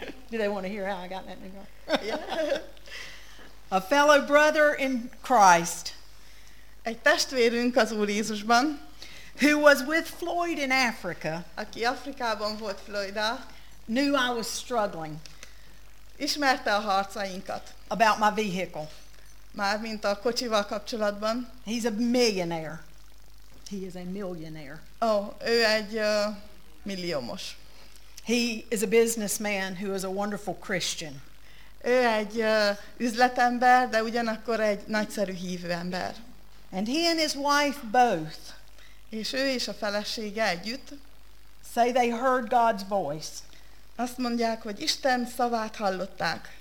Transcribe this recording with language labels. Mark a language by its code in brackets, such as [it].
[en] Do they want to hear how I got that new car? Yeah. A fellow brother in Christ. [hu] Egy testvérünk az Úr Jézusban. [en] Who was with Floyd in Africa. [hu] Aki Afrikában volt Floyd-a. [en] Knew I was struggling. [hu] Ismerte a harcainkat. [en] About my vehicle. [hu] Már mint a kocsival kapcsolatban. [en] He's a millionaire. He is a millionaire. [hu] Oh, ő egy milliómos. [en] He is a businessman who is a wonderful Christian. [hu] Ő egy üzletember, de ugyanakkor egy nagyszerű hívő ember. [en] And he and his wife both. [hu] És ő és a felesége együtt. [en] Say they heard God's voice. [hu] Azt mondják, hogy Isten szavát hallották.